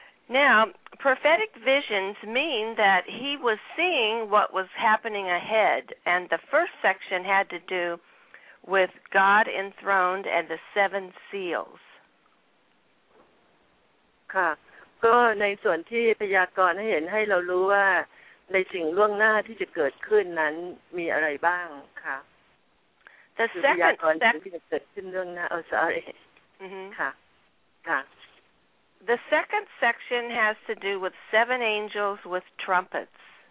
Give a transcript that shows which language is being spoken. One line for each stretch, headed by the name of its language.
English: Now, prophetic visions mean that he was seeing what was happening ahead, and the first section had to do with God enthroned and the seven seals.
Thai: ค่ะก็ในส่วนที่พยากรณ์ให้เห็นให้เรารู้ว่าในสิ่งล่วงหน้าที่จะเกิดขึ้นนั้นมีอะไรบ้างค่ะ
English: The second
Thai: พยากรณ์ที่จะเกิดขึ้นล่วงหน้า
English: oh sorry
Thai: ค่ะค่ะ
English: The second section has to do with seven angels with trumpets.